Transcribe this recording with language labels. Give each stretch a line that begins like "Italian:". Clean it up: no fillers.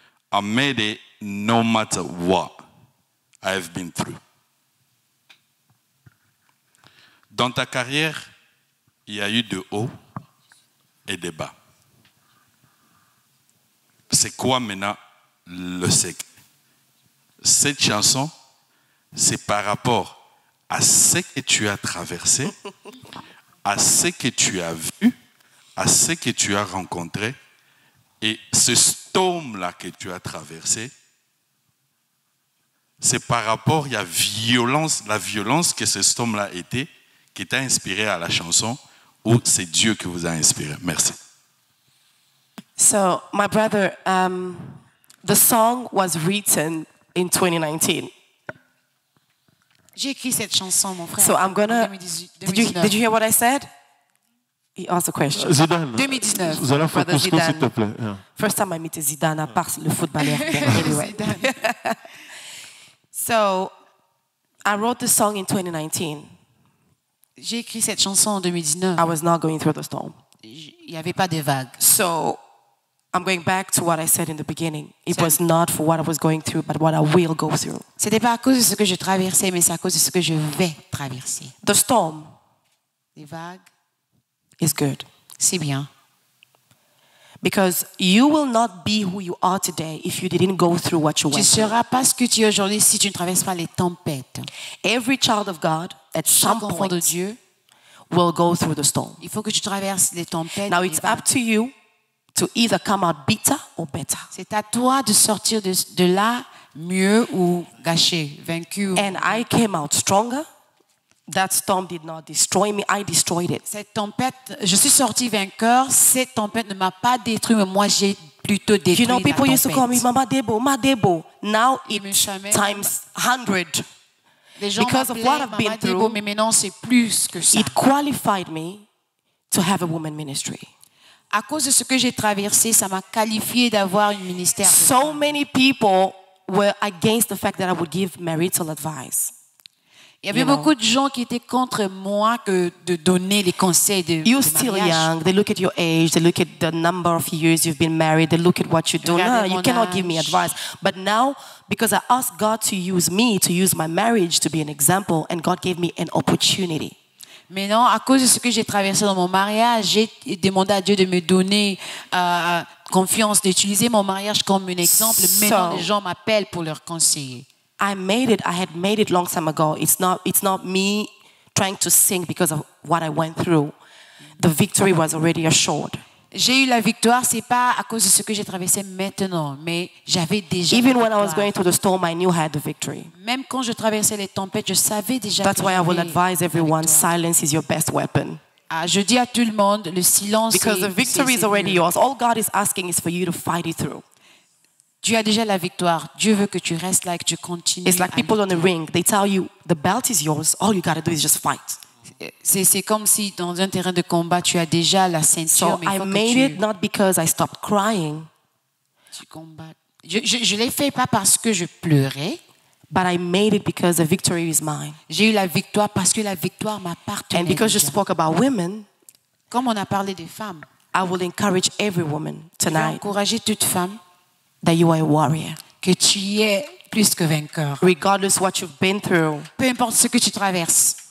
English: I made it no matter what I have been through.
French: Dans ta carrière, il y a eu de haut et de bas. C'est quoi maintenant le secret? Cette chanson, c'est par rapport à ce que tu as traversé, à ce que tu as vu, à ce que tu as rencontré, et ce storm-là que tu as traversé, c'est par rapport à la violence que ce storm-là était, qui t'a inspiré à la chanson, ou c'est Dieu qui vous a inspiré. Merci.
English: So, my brother, the song was written in 2019.
French: J'ai écrit cette chanson, mon frère.
English: So, I'm going to... Did you hear what I said? He asked a question. Zidane. 2019.
French: Vous allez faire couscous, s'il te plaît.
English: Yeah. First time I met Zidane,
French: à part le footballeur.
English: Anyway. So, I wrote the song in 2019.
French: J'ai écrit cette chanson en 2019.
English: I was not going through the storm.
French: Il n'y avait pas de vagues.
English: So... I'm going back to what I said in the beginning. It was not for what I was going through, but what I will go through.
French: C'était pas à cause de ce que je traversais, mais c'est à cause de ce que je vais traverser.
English: The storm,
French: les vagues,
English: is good.
French: C'est bien.
English: Because you will not be who you are today if you didn't go through what you went.
French: Tu seras pas ce que tu es aujourd'hui si tu ne traverses pas les tempêtes.
English: Every child of God, at some point,
French: enfant de Dieu,
English: will go through the storm.
French: Il faut que tu traverses les tempêtes.
English: Now it's up to you. To either come out bitter or better.
French: C'est à toi de sortir de là mieux ou gâché, vaincu.
English: And I came out stronger. That storm did not destroy me. I destroyed it.
French: Cette tempête, je suis sorti vainqueur. Cette tempête ne m'a pas détruit, mais moi j'ai plutôt détruit.
English: You know, people
French: la tempête.
English: Used to call me Mama Debo, Mama Debo. Now it's times 100.
French: Les gens
English: because of what I've Mama been Debo, through.
French: Mais maintenant c'est plus que ça.
English: It qualified me to have a woman ministry.
French: À cause de ce que j'ai traversé, ça m'a qualifié d'avoir un ministère.
English: So many people were against the fact that I would give marital advice.
French: Il y avait beaucoup de gens qui étaient contre moi que de donner les conseils de mariage.
English: You're still young. They look at your age. They look at the number of years you've been married. They look at what you do. No, you cannot give me advice. But now, because I asked God to use me, to use my marriage to be an example, and God gave me an opportunity.
French: Mais non, à cause de ce que j'ai traversé dans mon mariage, j'ai demandé à Dieu de me donner confiance, d'utiliser mon mariage comme un exemple. Maintenant, les gens m'appellent pour leur conseiller.
English: I made it. I had made it long time ago. It's not me trying to sing because of what I went through. The victory was already assured.
French: J'ai eu la victoire. C'est pas à cause de ce que j'ai traversé maintenant, mais j'avais déjà.
English: Even when I was going through the storm, I knew I had the victory.
French: Même quand je traversais les tempêtes, je savais déjà.
English: That's why I will advise everyone: silence is your best weapon.
French: Je dis à tout le monde, le silence.
English: Because the victory is already yours. All God is asking is for you to fight it through.
French: Dieu a déjà la victoire. Dieu veut que tu restes là et que tu continues.
English: It's like people on the ring. They tell you the belt is yours. All you gotta do is just fight.
French: C'est comme si dans un terrain de combat tu as déjà la ceinture.
English: So I made it not because I stopped crying.
French: Je l'ai fait pas parce que je pleurais,
English: but I made it because the victory is mine.
French: J'ai eu la victoire parce que la victoire m'appartenait.
English: And because you spoke about women,
French: comme on a parlé des femmes,
English: I will encourage every woman tonight.
French: Je vais encourager toute femme
English: that you are a warrior.
French: Que tu y es plus que vainqueur.
English: Regardless what you've been through,
French: peu importe ce que tu traverses.